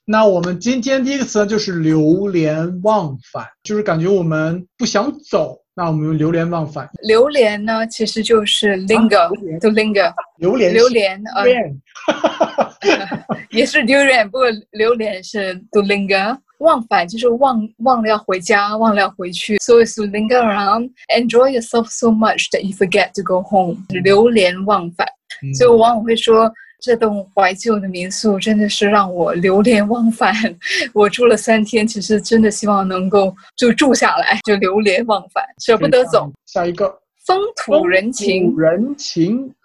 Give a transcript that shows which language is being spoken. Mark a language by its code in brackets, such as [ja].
[zh] 那我们今天第一个词就是流连忘返，就是感觉我们不想走，那我们流连忘返。流连呢其实就是 linger, [en] to linger. [zh] 流连流连 [en] durian. [zh] 也是 durian, 不过流连是 [en] to linger. [zh] 忘返就是忘了要回家，忘了要回去。 [en] So it's to linger around, enjoy yourself so much that you forget to go home. [zh] 流连忘返。所以我往往会说，这栋怀旧的民宿真的是让我流连忘返。我住了三天，其实真的希望能够就住下来，就流连忘返，舍不得走。下一个，风土人情。风土人情。